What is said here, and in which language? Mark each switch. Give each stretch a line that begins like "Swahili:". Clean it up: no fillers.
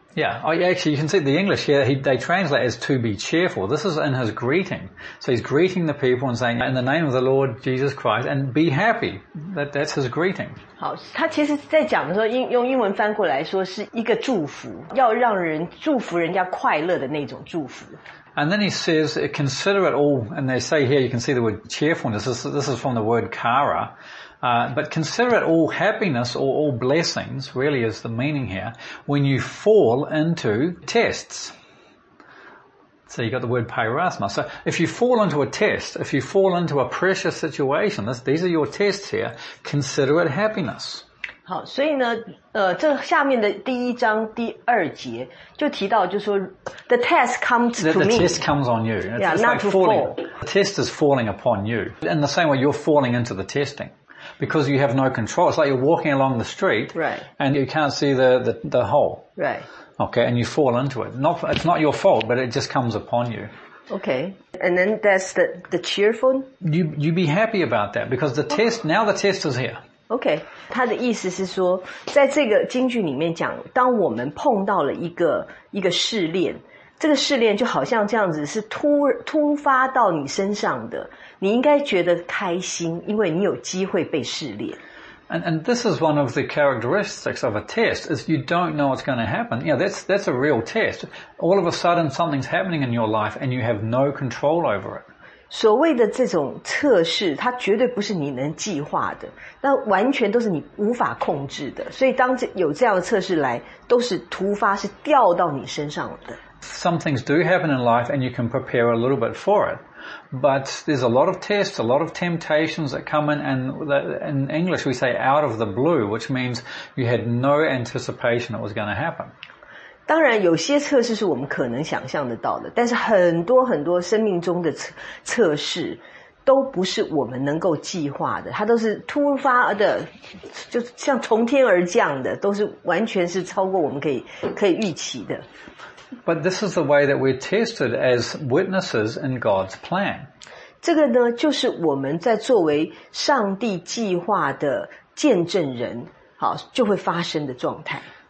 English: Yeah, actually you can see the English here, they translate as to be cheerful. This is in his greeting. So he's greeting the people and saying, in the name of the Lord Jesus Christ, and be happy. That's his greeting.
Chinese: 好，他其实在讲的时候，用英文翻过来说是一个祝福，要让人祝福人家快乐的那种祝福。
English: And then he says, consider it all, and they say here, you can see the word cheerfulness, this is from the word kara. But consider it all happiness or all blessings, really is the meaning here, when you fall into tests. So you got the word pyrasma. So if you fall into a test, if you fall into a pressure situation, these are your tests here, consider it happiness.
Chinese: 好，所以呢，这下面的第一章第二节就提到，就是说 ，
English: the test comes to me. The test comes on you. Yeah, not to fall. The test is falling upon you. In the same way, you're falling into the testing. because you have no control. It's like you're walking along the street, right? And you can't see the hole, right? Okay, and you fall into it. It's not your fault, but it just comes upon you. Okay, and then that's the cheerful. You be happy about that because the test now the test is here.
Chinese: Okay, 他的意思是说，在这个经句里面讲，当我们碰到了一个试炼。这个试炼就好像这样子是突发到你身上的你应该觉得开心因为你有机会被试炼
English: and this is one of the characteristics of a test is you don't know what's going to happen you know, that's a real test all of a sudden something's happening in your life and you have no control over it
Chinese: 所谓的这种测试它绝对不是你能计划的那完全都是你无法控制的所以当有这样的测试来都是突发是掉到你身上的
English: Some things do happen in life and you can prepare a little bit for it. But there's a lot of tests, a lot of temptations that come in and in English we say out of the blue, which means you had no anticipation it was going to happen.
Chinese: 当然有些测试是我们可能想象得到的但是很多很多生命中的测试都不是我们能够计划的它都是突发的就像从天而降的都是完全是超过我们可以预期的。
English: But this is the way that we're tested as witnesses in God's plan.
Chinese: 这个呢就是我们在作为上帝计划的见证人好就会发生的状态。